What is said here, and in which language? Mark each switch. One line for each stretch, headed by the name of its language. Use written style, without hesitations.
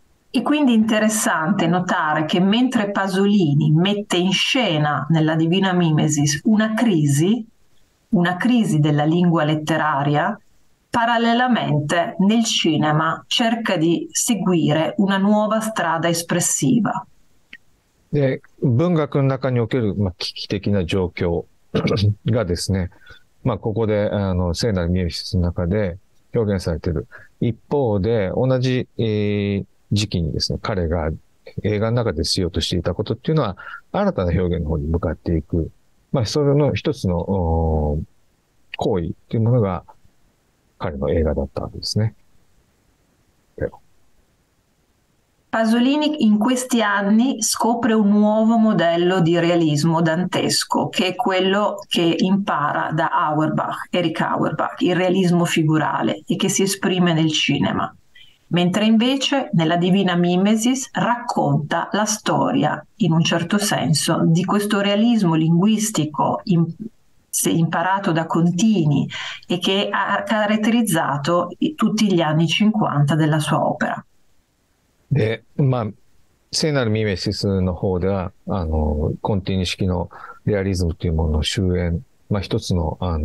Italian: È quindi interessante notare che mentre Pasolini mette in scena nella Divina Mimesis una crisi, una crisi della lingua letteraria, parallelamente nel cinema cerca di seguire una nuova strada espressiva.
Japanese: で、文学の中における、まあ、危機的な状況がですね、まあ、ここで、聖なる見え室の中で表現されている。一方で、同じ、時期にですね、彼が映画の中でしようとしていたことっていうのは、新たな表現の方に向かっていく。まあ、それの一つの、行為っていうものが、彼の映画だったわけですね。
Italian: Pasolini in questi anni scopre un nuovo modello di realismo dantesco, che è quello che impara da Auerbach, Erich Auerbach, il realismo figurale e che si esprime nel cinema, mentre invece nella Divina Mimesis racconta la storia, in un certo senso, di questo realismo linguistico imparato da Contini e che ha caratterizzato tutti gli anni 50 della sua opera.
Japanese: で、まあ、聖なるミメシスの方では、コンティニ式のリアリズムというものの終焉、まあ一つの、